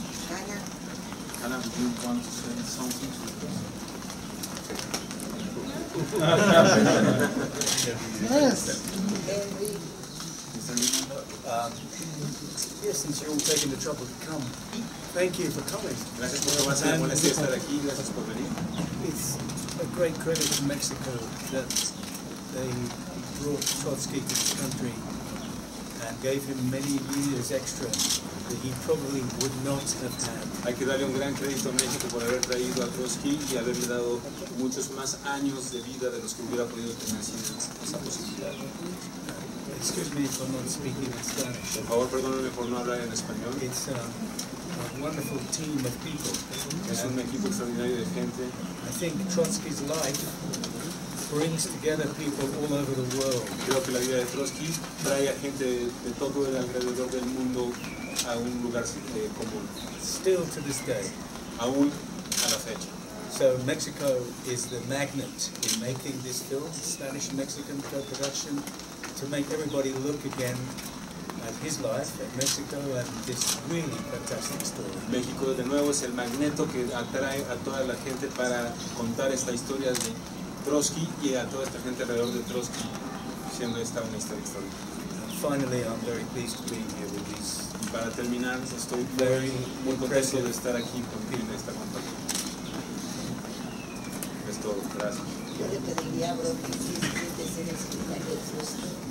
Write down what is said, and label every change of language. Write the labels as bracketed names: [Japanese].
[English] Hannah, do you want to say something to us? Yes. Yes, since you're all taking the trouble to come, thank you for coming. [Spanish] Gracias por pasar, buenas tardes, estar aquí, gracias por venir. [English] It's a great credit to Mexico that they brought Trotsky to the country and gave him many years extra that he probably would not have had. [Spanish] Hay que darle un gran crédito a México por haber traído a Trotsky y haberle dado muchos más años de vida de los que hubiera podido tener sin esa posibilidad. [English] Excuse me for not speaking in Spanish. [Spanish] Por favor, perdóneme por no hablar en español. [English] It's a wonderful team of people. [Spanish] Es un equipo extraordinario de gente. [English] I think Trotsky's life brings together people all over the world. [Spanish] Creo que la vida de Trotsky trae a gente de todo el alrededor del mundo a un lugar común. [English] Still to this day. [Spanish] Aún a la fecha. [English] So Mexico is the magnet in making this film, Spanish-Mexican co-production, to make everybody look again and his life in Mexico and this really fantastic story. [Spanish] México de nuevo es el magneto que atrae a toda la gente para contar esta historia de Trotsky y a toda esta gente alrededor de Trotsky, siendo esta una historia histórica. [English] Finally, I'm very pleased to be here with these. [Spanish] Y para terminar, estoy muy contento de estar aquí contigo en esta compañía. Es todo, gracias. Yo le pediría a Brody si es que te sea el secretario de Trotsky.